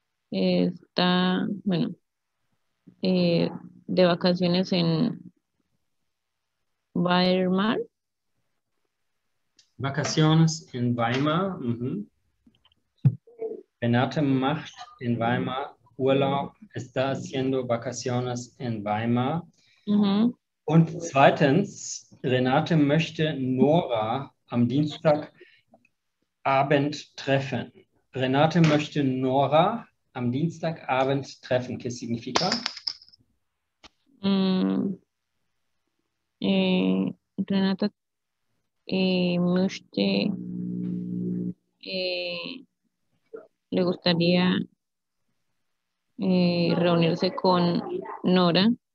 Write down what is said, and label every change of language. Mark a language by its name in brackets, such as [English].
[Spanish] está, bueno, de vacaciones en Weimar. Vacaciones en Weimar. Uh-huh. Renate macht en Weimar Urlaub. Está haciendo vacaciones en Weimar. Uh-huh. [German] Und zweitens, Renate möchte Nora am Dienstagabend treffen. Renate möchte Nora am Dienstagabend treffen. [Spanish] ¿Qué significa? Renata möchte le gustaría reunirse con Nora.